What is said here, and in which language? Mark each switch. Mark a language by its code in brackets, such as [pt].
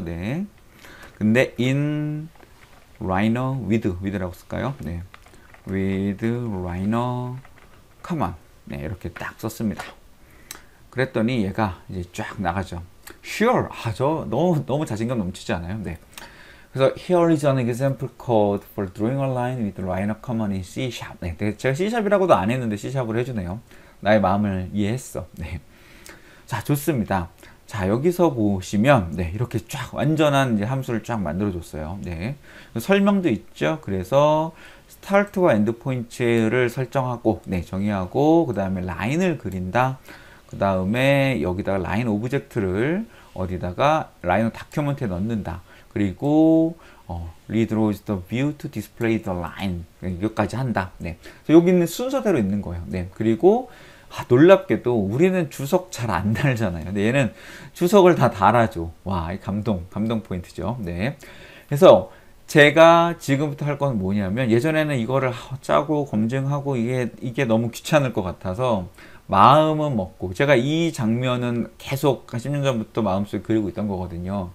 [ko] 네, 근데 [en] in Rhino with [ko] 라고 쓸까요? [en] 네, with Rhino common. [ko] 네, 이렇게 딱 썼습니다. 그랬더니 얘가 이제 쫙 나가죠. [en] Sure. [ko] 아, 저 너무 너무 자신감 넘치지 않아요? 네. 그래서 [en] here is an example code for drawing online with Rhino common in C sharp. [ko] 네, 제가 C sharp이라고도 안 했는데 C sharp으로 해주네요. 나의 마음을 이해했어. 네. 자, 좋습니다. 자, 여기서 보시면, 네, 이렇게 쫙 완전한 이제 함수를 쫙 만들어줬어요. 네. 설명도 있죠. 그래서, start와 endpoint를 설정하고, 네, 정의하고, 그 다음에 라인을 그린다. 그 다음에 여기다가 라인 오브젝트를 어디다가 라인 다큐먼트에 넣는다. 그리고 [en] read the view to display the line [ko] 여기까지 한다. 네, 여기 있는 순서대로 있는 거예요. 네, 그리고 놀랍게도 우리는 주석 잘안 달잖아요. 근데 얘는 주석을 다 달아줘. 와, 감동 포인트죠. 네, 그래서 제가 지금부터 할건 뭐냐면 예전에는 이거를 짜고 검증하고 이게 너무 귀찮을 것 같아서 마음은 먹고 제가 이 장면은 계속 10년 전부터 마음속에 그리고 있던 거거든요.